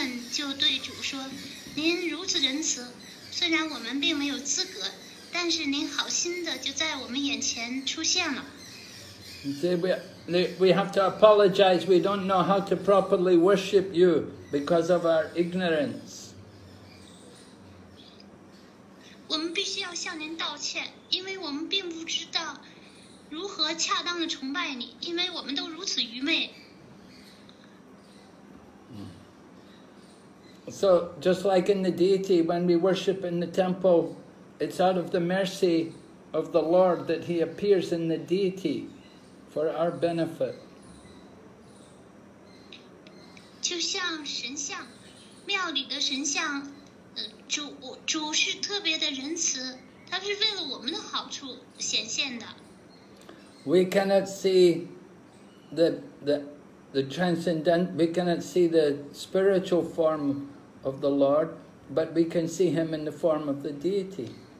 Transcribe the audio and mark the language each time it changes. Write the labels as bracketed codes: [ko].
[zh] 就对主说，您如此仁慈，虽然我们并没有资格，但是您好心的就在我们眼前出现了。 [en] We have to apologize. We don't know how to properly worship you because of our ignorance. [zh] 我们必须要向您道歉，因为我们并不知道如何恰当的崇拜你，因为我们都如此愚昧。 [en] So, just like in the deity, when we worship in the temple, it's out of the mercy of the Lord that He appears in the deity for our benefit. [zh] 就像神像，庙里的神像，主是特别的仁慈，他是为了我们的好处显现的。 [en] We cannot see the transcendent, we cannot see the spiritual form of the Lord, but we can see Him in the form of the deity.